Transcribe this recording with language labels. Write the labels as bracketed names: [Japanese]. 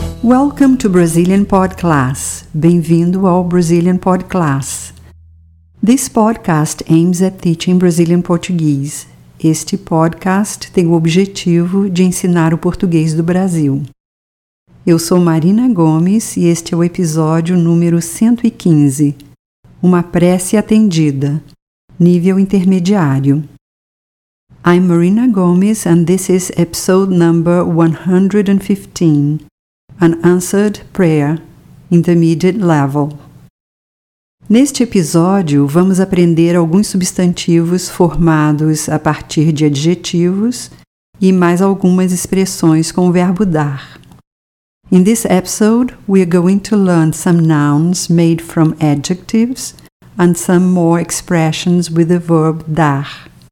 [English] Welcome to Brazilian Pod Class. [Portuguese] Bem-vindo ao Brazilian Pod Class. [English] This podcast aims at teaching Brazilian Portuguese. [Portuguese] Este podcast tem o objetivo de ensinar o português do Brasil. Eu sou Marina Gomes e este é o episódio número 115. Uma prece atendida. Nível intermediário. [English] I'm Marina Gomes and this is episode number 115. An Answered Prayer, Intermediate Level. [Portuguese] Neste episódio, vamos aprender alguns substantivos formados a partir de adjetivos e mais algumas expressões com o verbo dar. [English] In this episode, we are going to learn some nouns made from adjectives and some more expressions with the verb dar.